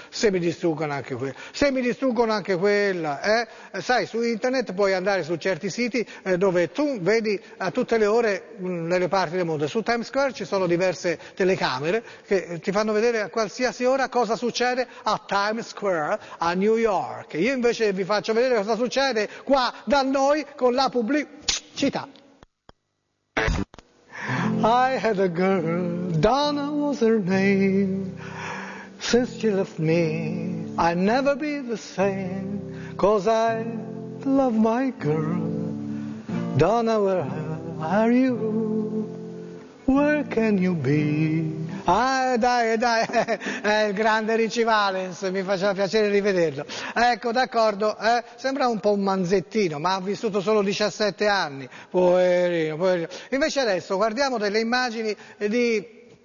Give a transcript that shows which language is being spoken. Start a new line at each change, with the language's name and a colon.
Italian: Se mi distruggono anche quella, sai, su internet puoi andare su certi siti dove tu vedi a tutte le ore nelle parti del mondo. Su Times Square ci sono diverse telecamere che ti fanno vedere a qualsiasi ora cosa succede a Times Square a New York. Io invece vi faccio vedere cosa succede qua da noi con la pubblicità.
English: I had a girl, Donna was her name. Since she left me, I never be the same. 'Cause I love my girl, Donna, where are you? Where can you be?
Italian: Ah, dai, è il grande Ricci Valens, mi faceva piacere rivederlo. Ecco, d'accordo, sembra un po' un manzettino, ma ha vissuto solo 17 anni. Poverino. Invece adesso guardiamo delle immagini di...